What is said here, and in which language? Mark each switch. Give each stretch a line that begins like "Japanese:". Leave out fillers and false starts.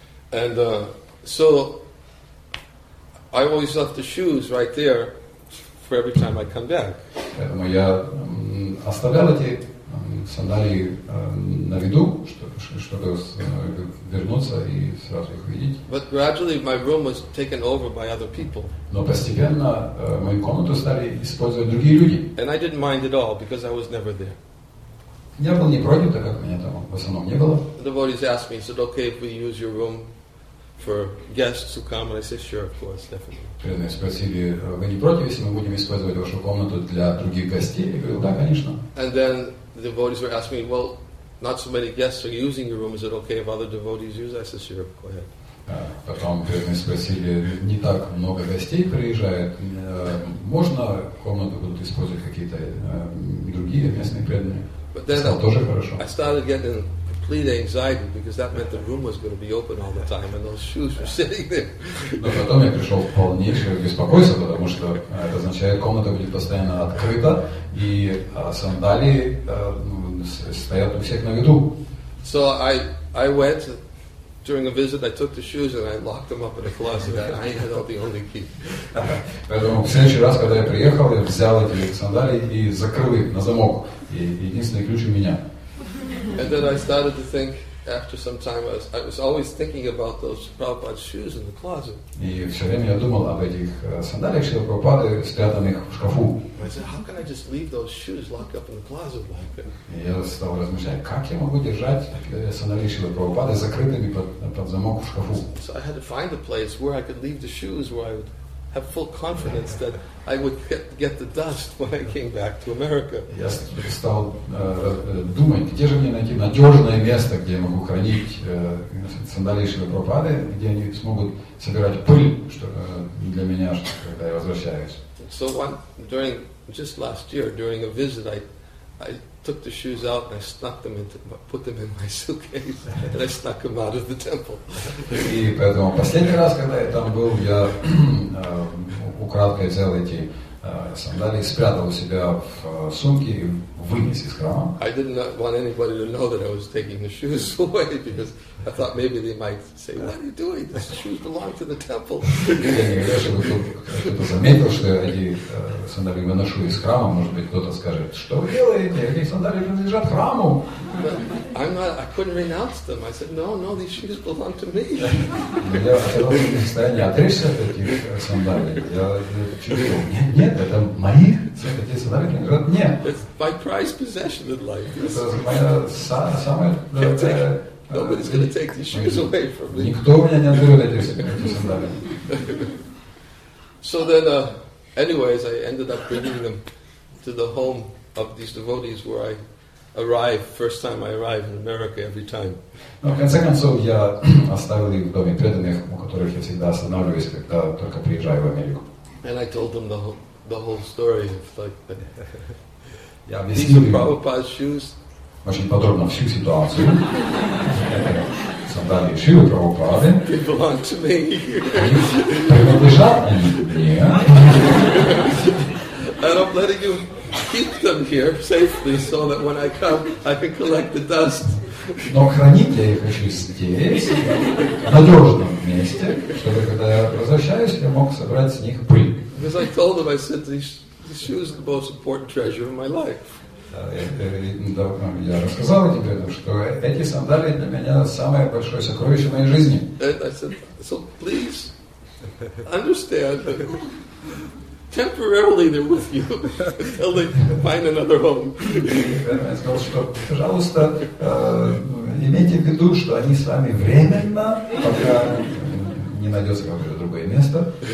English: And so I always left the shoes right there for every time I come back.
Russian: Поэтому я оставлял эти сандалии на виду, чтобы вернуться и сразу их видеть.
English: But gradually my room was taken over by other people.
Russian: Но постепенно мою комнату стали использовать другие люди.
English: And I didn't mind at all because I was never there.
Russian: Я был не против, так как меня там в основном не было.
English: The devotees asked me, is it okay if we use your room for guests who come? And I said, sure, of course, definitely.
Russian: Они спросили, вы не против, если мы будем использовать вашу комнату для других гостей? Я говорил, да, конечно.
English: And then the devotees were asking me, well, not so many guests are using your room. Is it okay if other devotees use it? I said, sure, go ahead.
Russian: Потом они спросили, не так много гостей приезжает, можно комнату будут использовать какие-то другие местные преданные?
English: But then I started getting complete anxiety because that meant the room was going to be open all the time and those shoes were sitting there.
Russian: Но потом я пришел в полнейшее беспокойство, потому что это означает, комната будет постоянно открыта и сандалии стоят у всех на виду.
English: So I went during a visit, I took the shoes and I locked them up in a closet. And I had all the only key.
Russian: Поэтому в следующий раз, когда я приехал, я взял эти сандалии и закрыл их на замок. Единственный ключ у меня.
English: And then I started to think after some time I was always thinking about those Prabhupada shoes in the closet.
Russian: И все время я думал об этих сандалиях, что Прабхупада спрятанных в шкафу.
English: I said, how can I just leave those shoes locked up in the closet like that?
Russian: Я стал размышлять, как я могу держать сандалии, что Прабхупада закрытыми под замок в шкафу.
English: So I had to find a place where I could leave the shoes where I would have full confidence that I would get the dust when I came back to America.
Russian: Я стал думать, где же мне найти надежное место, где я могу хранить сандалии Шрилы Прабхупады, где они смогут собирать пыль, что для меня, когда я возвращаюсь.
English: So one during just last year during a visit, I took the shoes out and I snuck them into, put them in my suitcase and I snuck them out of the temple.
Russian: И поэтому последний раз, когда я там был, я украдкой взял эти сандалии, спрятал у себя в сумке и вынес из храма.
English: I did not want anybody to know that I was taking the shoes away because I thought maybe they might say, what are you doing? The shoes belong to the temple.
Russian: Я не хотел, чтобы кто-то заметил, что я эти сандалии выношу из храма. Может быть, кто-то скажет, что вы делаете? Эти сандалии принадлежат храму.
English: I couldn't renounce them. I said, no, these shoes belong to me.
Russian: Я оказался в состоянии отречься от этих сандалий. Я чувствовал, нет, это мои. Эти сандалии принадлежат мне.
English: It's my prized possession in life.
Russian: Это моя самая...
English: Nobody's going to take these shoes away from me.
Russian: Никто у меня не отберет эти сандалии.
English: So then, anyways, I ended up bringing them to the home of these devotees where I arrive, first time I arrive in America every time.
Russian: Но в конце концов я оставил их в доме преданных, у которых я всегда останавливаюсь, когда только приезжаю в Америку.
English: And I told them the whole story of like these are Prabhupada's shoes.
Russian: Очень подробно всю ситуацию. Сандалии Шрилы Прабхупады.
English: They belong to me.
Russian: Принадлежат мне.
English: And I'm letting you keep them here safely so that when I come, I can collect the dust.
Russian: Но хранить я их хочу здесь, в надежном месте, чтобы когда я возвращаюсь, я мог собрать с них пыль.
English: Because I told them, I said, these shoes are the most important treasure of my life.
Russian: Я рассказал тебе, что эти сандалии для меня самое большое сокровище моей жизни.
English: I said, so please understand that temporarily they're with you until they find another home.
Russian: Я сказал, что, пожалуйста, имейте в виду, что они с вами временно, пока не найдется какое-то другое место.